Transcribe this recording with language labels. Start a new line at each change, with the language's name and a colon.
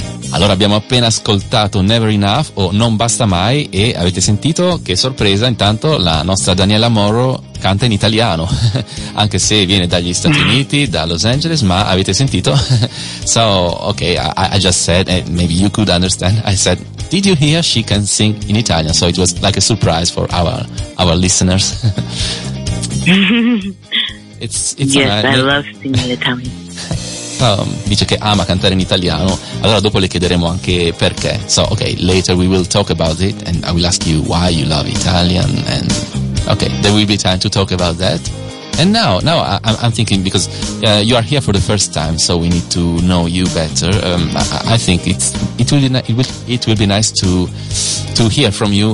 Italian: Allora, abbiamo appena ascoltato Never Enough o Non Basta Mai, e avete sentito, che sorpresa, intanto la nostra Daniela Morrow canta in italiano, anche se viene dagli Stati Uniti, da Los Angeles, ma avete sentito?
English: So, okay, I just said, maybe you could understand, I said, did you hear she can sing in Italian? So it was like a surprise for our listeners. I love singing in Italian.
Italian: Dice che ama cantare in italiano, allora dopo le chiederemo anche perché.
English: So, okay, later we will talk about it and I will ask you why you love Italian and... Okay, there will be time to talk about that. And now I'm thinking, because you are here for the first time, so we need to know you better. I think it will be nice to hear from you.